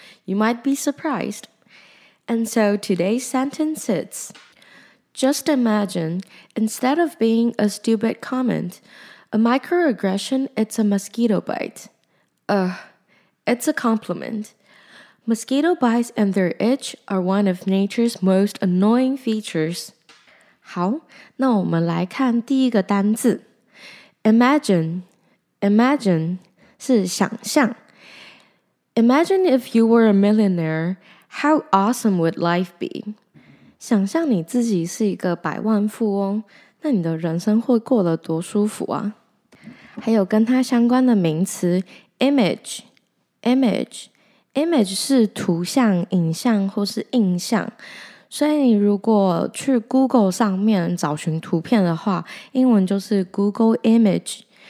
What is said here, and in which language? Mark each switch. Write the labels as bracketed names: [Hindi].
[English] You might be surprised. And so today's sentence is, just imagine, instead of being a stupid comment, a microaggression, it's a mosquito bite. It's a compliment. Mosquito bites and their itch are one of nature's most annoying features. [Chinese] 好，那我们来看第一个单字。 [English] Imagine, imagine [Chinese] 是想象。 [English] Imagine if you were a millionaire, how awesome would life be? [Chinese] 想象你自己是一个百万富翁，那你的人生会过得多舒服啊！还有跟它相关的名词 image, [English] image, [Chinese] image 是图像、影像或是印象。所以你如果去 Google 上面找寻图片的话，英文就是 Google Image。